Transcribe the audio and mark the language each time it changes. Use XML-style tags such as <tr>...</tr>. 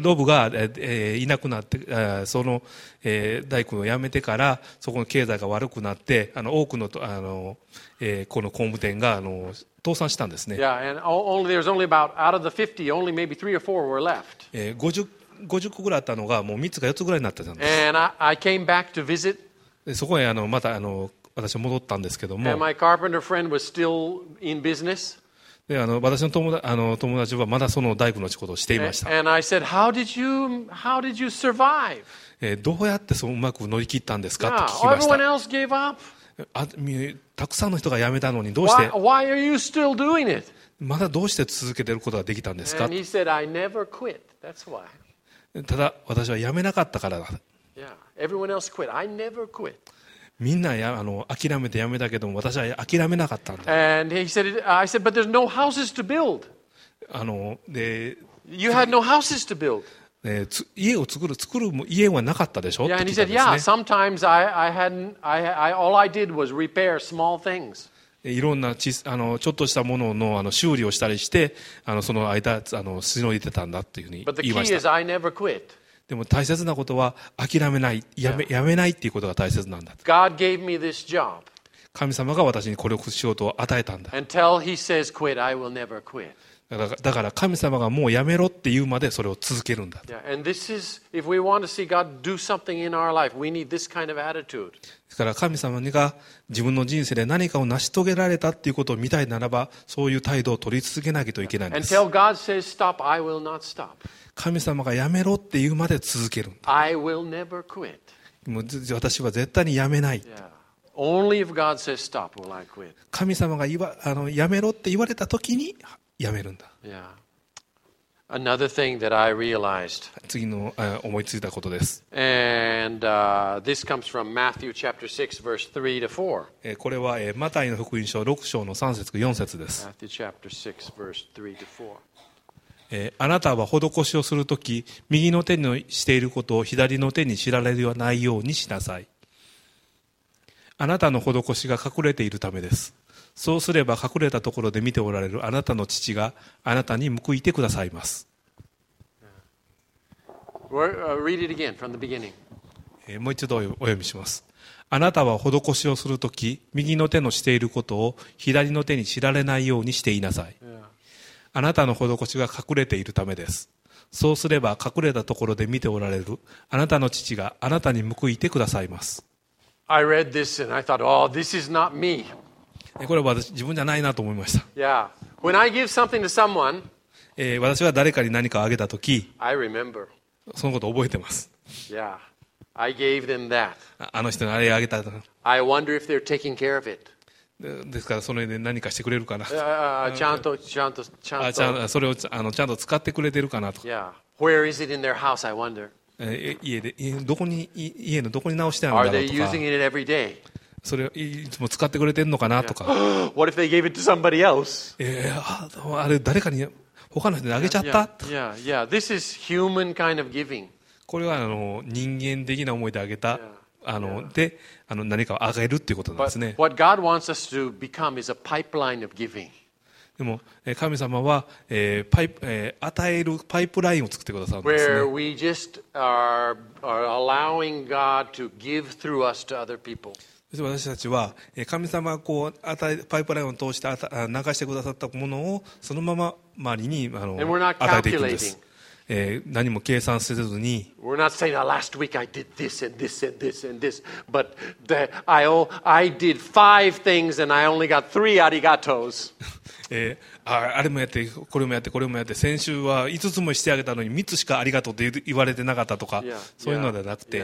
<ja>ロブが、いなくなって、その、大工を辞めてから、そこの経済が悪くなって、多くの、この工務店が、倒産したんですね。</ja> <en>Yeah, and only, there's only about, out of the 50, only maybe 3 or 4 were left.</en> <ja>50個ぐらいあったのが、もう3つか4つぐらいになってたんです。</ja> <en>And I came back to visit.</en> <ja>そこへ、また、私は戻ったんですけども。</ja> <en>And my carpenter friend was still in business.</en> <ja>で私の 友達はまだその大工の仕事をしていました。</ja> <en>And I said, how did you survive?</en> <ja>どうやってそううまく乗り切ったんですかって聞きました。</ja> <en>Everyone else gave up.</en> <ja>たくさんの人が辞めたのにどうして</ja> <en>why are you still doing it?</en> <ja>まだどうして続けてることができたんですか</ja> <en>And he said, I never quit. That's why.</en> <ja>ただ私は辞めなかったからだ。</ja> <en>Yeah. Everyone else quit. I never quit.</en> <ja>みんなや諦めてやめたけども私は諦めなかったんだ。</ja> <en>And he said, I said, but there's no houses to build.</en> <ja>で、</ja> <en>you had no houses to build.</en> <ja>家を作る家はなかったでしょ。</ja> <en>Yeah, and he said, yeah, sometimes I all I did was repair small things.</en> <ja>いろんなちょっとしたものの修理をしたりしてその間しのいでたんだっていうふうに言いました。</ja> <en>But the key is I never quit.</en> <ja>でも大切なことは諦めない、やめないっていうことが大切なんだ。</ja> <en>God gave me this job.</en> <ja>神様が私にこれを仕事を与えたんだ。</ja> <en>Until he says quit, I will never quit.</en> <ja>だから神様がもうやめろって言うまでそれを続けるんだ。</ja> <en>Yeah, and this is, if we want to see God do something in our life, we need this kind of attitude.</en> <ja>ですから神様が自分の人生で何かを成し遂げられたっていうことを見たいならば、そういう態度を取り続けなきゃいけないんです。</ja> <en>Until God says stop, I will not stop.</en> <ja>神様がやめろって言うまで続けるんだ。</ja> <en>I will never quit.</en> <ja>もう私は絶対にやめない。</ja> <en>Yeah. Only if God says stop will I quit.</en> <ja>神様がやめろって言われた時にやめるんだ。</ja> <en>Yeah. Another thing that I realized.</en> <ja>次の、思いついたことです。</ja> <en>And, this comes from Matthew chapter 6, verse 3 to 4.</en> <ja>これは、マタイの福音書6章の3節か4節です。</ja> <en>Matthew chapter 6, verse 3 to 4.</en> <ja>あなたは施しをするとき右の手にしていることを左の手に知られるないようにしなさい。あなたの施しが隠れているためです。そうすれば隠れたところで見ておられるあなたの父があなたに報いてくださいます。</ja> <en>read it again from the beginning.</en> <ja>もう一度お読みします。あなたは施しをするとき右の手のしていることを左の手に知られないようにしていなさい。あなたの施しが隠れているためです。そうすれば隠れたところで見ておられるあなたの父があなたに報いてくださいます。</ja> <en>I read this and I thought, oh, this is not me.</en> <ja>これは私自分じゃないなと思いました。</ja> <en>Yeah. When I give something to someone,</en> <ja>私は誰かに何かをあげたとき</ja> <en>I remember.</en> <ja>そのことを覚えてます。</ja> <en>Yeah. I gave them that.</en> <ja>あの人にあれをあげた。</ja> <en>I wonder if they're taking care of it.</en> <ja>ですからその辺で何かしてくれるかな。ちゃんとそれをちゃんと使ってくれてるかなと。</ja> <en>Yeah. Where is it in their house, I wonder.</en> <ja>家でどこに家のどこに直してあるんだろうとか。</ja> <en>Are they using it every day?</en> <ja>それをいつも使ってくれてるのかなとか。</ja> <en>Yeah. What if they gave it to somebody else?</en> <ja>あれ誰かに他の人にあげちゃった。</ja> <en>Yeah. Yeah. Yeah. Yeah. This is human kind of giving.</en> <ja>これは人間的な思いであげた。</ja> <en>Yeah.</en> <ja>で何かをあげるということなんですね。</ja> <en>But what God wants us to become is a pipeline of giving.</en> <ja>でも神様は、与えるパイプラインを作ってくださるんですね。</ja> <en>Where we just are allowing God to give through us to other people.</en> <ja>私たちは神様がこう与えパイプラインを通して流してくださったものをそのまま周りに与えていくんです。何も計算せずに。</ja> <en>We're not saying that last week I did this and this and this and this, but that I did five things and I only got three arigatos.</en> <ja>あれもやって、これもやって、これもやって、先週は5つもしてあげたのに3つしかありがとうって言われてなかったとか、そういうのではなくて。</ja>